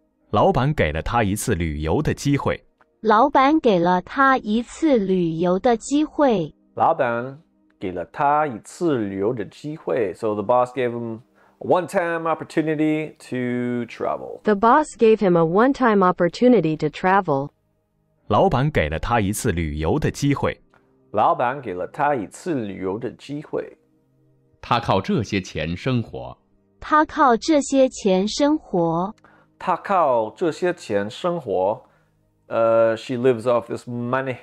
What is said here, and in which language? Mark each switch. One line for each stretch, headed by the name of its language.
Chinese: 老板给了他一次旅游的机会。老板给了他一次旅游的机会。老板给了他一次旅游的机会。
English: So the boss gave him one-time opportunity to travel. The boss gave him a one-time opportunity to travel.
Chinese: 老板给了他一次旅游的机会。老板给了他一次旅游的机会。他靠这些钱生活。他靠这些钱生活。他靠这些钱生活。
English: She lives off this money.